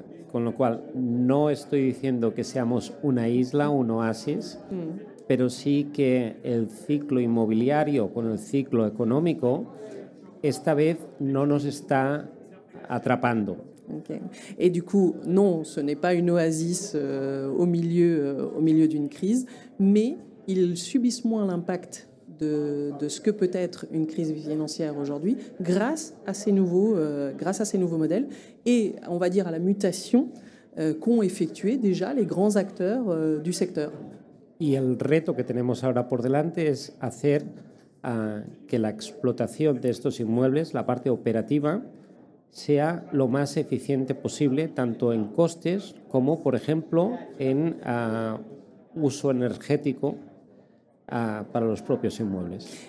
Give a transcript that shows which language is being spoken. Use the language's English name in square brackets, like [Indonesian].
[Spanish] Con lo cual, no estoy diciendo que seamos una isla, un oasis, pero sí que el ciclo inmobiliario con el ciclo económico esta vez no nos está atrapando. Okay. [French] Et du coup, non, ce n'est pas une oasis au milieu d'une crise, mais ils subissent moins l'impact de ce que peut être une crise financière aujourd'hui grâce à ces nouveaux modèles et on va dire à la mutation qu'ont effectué déjà les grands acteurs du secteur. [Spanish] Y el reto que tenemos ahora por delante es hacer que la explotación de estos inmuebles, la parte operativa, sea lo más eficiente posible tanto en costes como por ejemplo en uso energético para los propios inmuebles.